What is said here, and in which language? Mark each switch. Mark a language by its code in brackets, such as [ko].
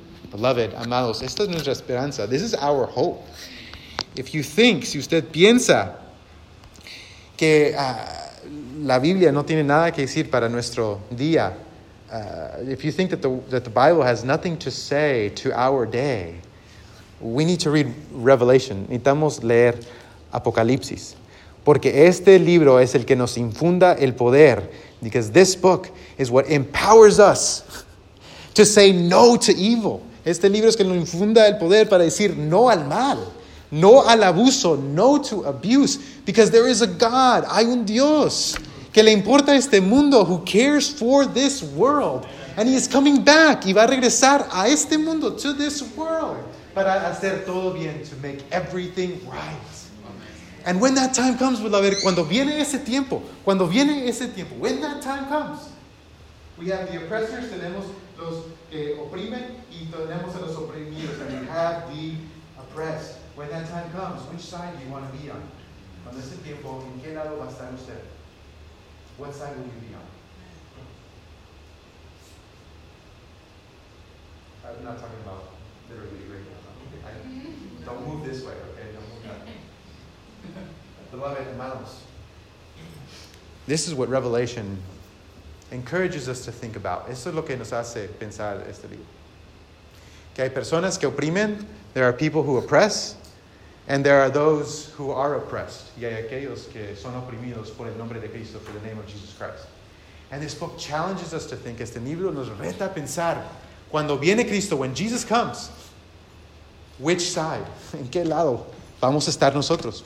[en] Beloved, [es] amados, esta es nuestra esperanza. [en] This is our hope. If you think, [es] si usted piensa que la Biblia no tiene nada que decir para nuestro día, [en] if you think that the Bible has nothing to say to our day, we need to read Revelation. [es] Necesitamos leer Apocalipsis, porque este libro es el que nos infunda el poder. [en] Because this book is what empowers us to say no to evil. [es] Este libro es que nos infunda el poder para decir no al mal, no al abuso, [en] no to abuse. Because there is a God, [es] hay un Dios que le importa a este mundo, [en] who cares for this world, and he is coming back, [es] y va a regresar a este mundo, [en] to this world, [es] para hacer todo bien, [en] to make everything right. And when that time comes, beloved, [es] cuando viene ese tiempo, [en] when that time comes, we have the oppressors, [es] tenemos los que oprimen, y tenemos a los oprimidos, [en] and we have the oppressed. When that time comes, which side do you want to be on? [es] Cuando ese tiempo, ¿en qué lado va a estar usted? [en] What side will you be on? I'm not talking about literally right now. Okay. Don't move this way, okay? Don't move that. This is what Revelation encourages us to think about. [es] Esto es lo que nos hace pensar este libro. Que hay personas que oprimen, [en] there are people who oppress, and there are those who are oppressed. [es] Y hay aquellos que son oprimidos por el nombre de Cristo, [en] for the name of Jesus Christ. And this book challenges us to think, [es] este libro nos reta a pensar, cuando viene Cristo, [en] when Jesus comes, which side, [es] en qué lado, vamos a estar nosotros.